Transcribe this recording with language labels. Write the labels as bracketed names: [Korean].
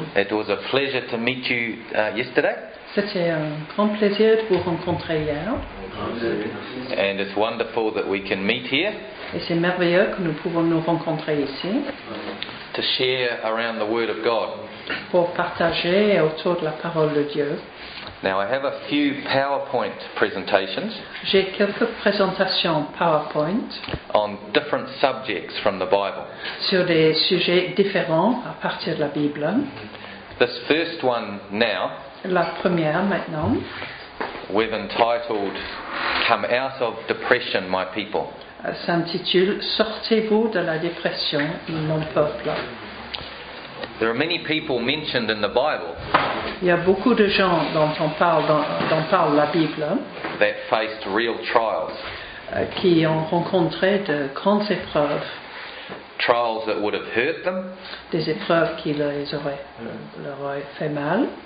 [English] It was a pleasure to meet you yesterday. [French] C'était un grand plaisir de vous rencontrer hier. [English] And it's wonderful that we can meet here. [French] Et c'est merveilleux que nous pouvons nous rencontrer ici. [English] To share around the Word of God. [French] Pour partager autour de la parole de Dieu. [English] Now I have a few PowerPoint presentations. [French] J'ai quelques présentations PowerPoint. [English] On different subjects from the Bible. [French] Sur des sujets différents à partir de la Bible. [English] This first one now. [French] La première maintenant. [English] We've entitled "Come Out of Depression, My People." [French] S'intitule "Sortez-vous de la dépression, mon peuple." [English] There are many people mentioned in the Bible. [French] Il y a beaucoup de gens dont on parle dont parle la Bible. [English] That faced real trials. [French] Qui ont rencontré de grandes épreuves. [English] Trials that would have hurt them. [French] Des épreuves qui les auraient leur auraient fait mal.